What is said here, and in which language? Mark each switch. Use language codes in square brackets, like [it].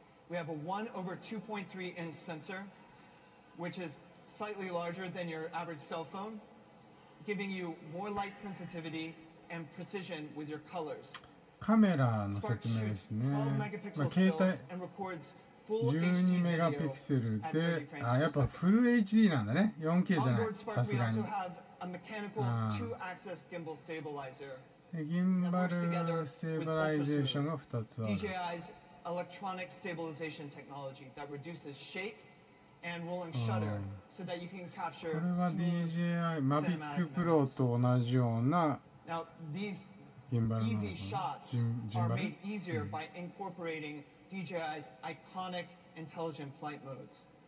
[en] We have a 1 over 2.3 inch sensor, which is slightly larger than your average cell phone, giving you more light sensitivity and precision with your colors. [ja] カメラの説明ですね。まあ、携帯12メガピクセルで、あ、やっぱフル HD なんだね。 4K じゃない。さすがに。ギンバルステーバライゼーションが2つある。 [en] Electronic stabilization technology that reduces shake and rolling shutter, so that you can capture. [ja] これは DJI Mavic Pro と同じような。 [en] Now these easy shots are made easier by incorporating DJI's iconic intelligent flight modes.